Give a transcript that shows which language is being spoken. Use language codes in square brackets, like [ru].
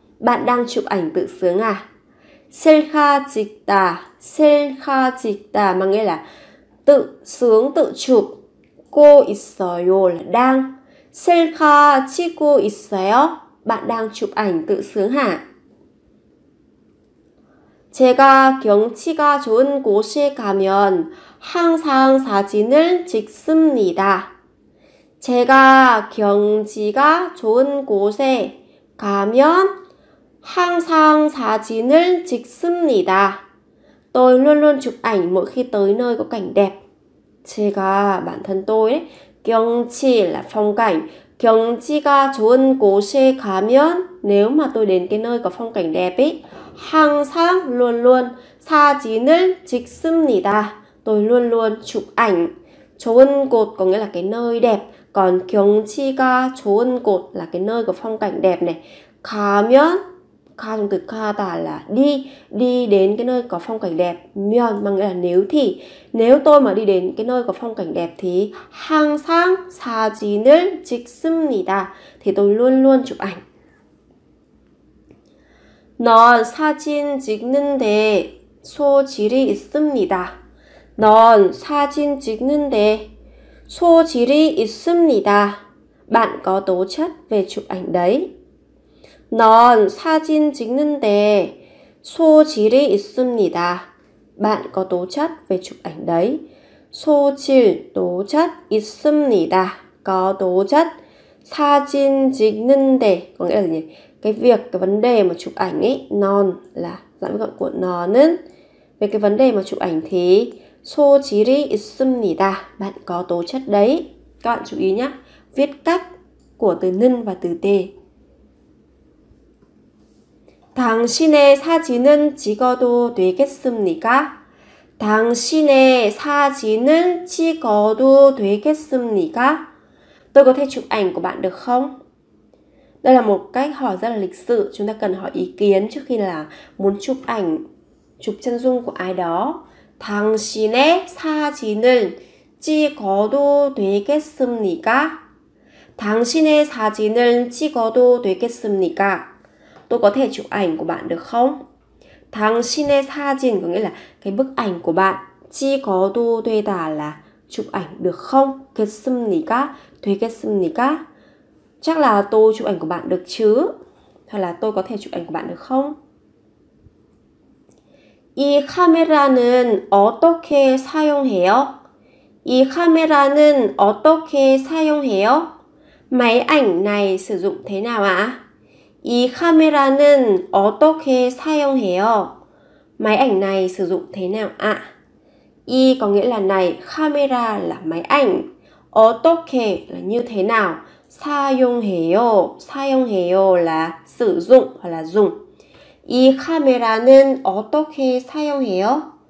[vi] Bạn đang chụp ảnh tự sướng à? [ko] 셀카 찍다. [vi] 셀카 찍다 mà nghĩa là tự sướng, tự chụp. 고 있어요 là đang. [ko] 셀카 찍고 있어요? [vi] Bạn đang chụp ảnh tự sướng hả? [ko] 제가 경치가 좋은 곳에 가면 항상 사진을 찍습니다. 제가 경치가 좋은 곳에 가면 항상 사진을 찍습니다. [vi] Tôi luôn luôn chụp ảnh mỗi khi tới nơi có cảnh đẹp. 제가 bản thân tôi ấy, 경치 là phong cảnh, [ko] 경치가 좋은 곳에 가면 [vi] nếu mà tôi đến cái nơi có phong cảnh đẹp ấy, 항상 luôn luôn [ko] 사진을 찍습니다. [vi] Tôi luôn luôn chụp ảnh. 좋은 곳 có nghĩa là cái nơi đẹp. Còn 경치가 좋은 곳 là cái nơi có phong cảnh đẹp này. 가면 가 trong từ 가다 là đi, đi đến cái nơi có phong cảnh đẹp. 면 mà nghĩa là nếu thì, nếu tôi mà đi đến cái nơi có phong cảnh đẹp thì [ko] 항상 사진을 찍습니다. [vi] Thì tôi luôn luôn chụp ảnh. [ko] 넌 사진 찍는데 소질이 있습니다. 넌 사진 찍는데 소질이 있습니다. [vi] Bạn có tố chất về chụp ảnh đấy. [ko] 넌 사진 찍는데 소질이 있습니다. [vi] Bạn có tố chất về chụp ảnh đấy. 소질, tố chất, 있습니다. Có tố chất. [ko] 사진 찍는데 [vi] có nghĩa là gì? Cái việc, cái vấn đề mà chụp ảnh ấy, 넌 là giảm gọn của 너는. Về cái vấn đề mà chụp ảnh thì [ko] 소질이 있습니다. [vi] Bạn có tố chất đấy. Các bạn chú ý nhé, viết cách của từ 는 và từ 데. [ko] 당신의 사진은 찍어도 되겠습니까? 당신의 사진은 찍어도 되겠습니까? [vi] Tôi có thể chụp ảnh của bạn được không? Đây là một cách hỏi rất là lịch sự. Chúng ta cần hỏi ý kiến trước khi là muốn chụp ảnh, chụp chân dung của ai đó. [ko] 당신의 사진을 찍어도 되겠습니까? 당신의 사진을 찍어도 되겠습니까? [vi] Tôi có thể chụp ảnh của bạn được không? 당신의 사진 có nghĩa là cái bức ảnh của bạn. 찍어도 되다 là chụp ảnh được không? [ko] 되겠습니까? 되겠습니까? [vi] Chắc là tôi chụp ảnh của bạn được chứ? Hay là tôi có thể chụp ảnh của bạn được không? [ko] 이 카메라는 어떻게 사용해요? 이 카메라는 어떻게 사용해요? [vi] Máy ảnh này sử dụng thế nào ạ? [ko] 이 카메라는 어떻게 사용해요? [vi] Máy ảnh này sử dụng thế nào ạ? 이 có nghĩa là này, camera là máy ảnh. 어떻게 là như thế nào? [ko] 사용해요. [vi] 사용해요 là sử dụng hoặc là dùng. [ko] 이 카메라는 어떻게 사용해요?